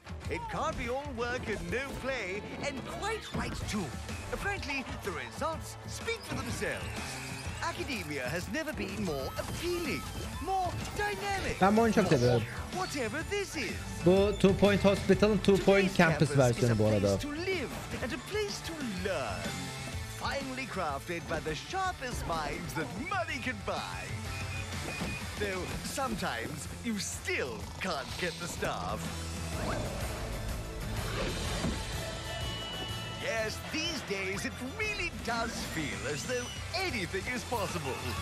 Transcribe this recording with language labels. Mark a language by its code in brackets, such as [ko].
[en] It can't be all work and no play, and quite right too. Frankly, the results speak for themselves. Academia has never been more appealing, more dynamic. [tr] Ben bu oyunu çok seviyorum. [en] Whatever this is. [tr] Bu Two Point Hospital'ın Two Point Campus versiyonu bu arada. [en] To live and a place to learn. Finally crafted by the sharpest minds that money can buy. Though sometimes you still can't get the staff. Yes, these days it really does feel as though anything is possible.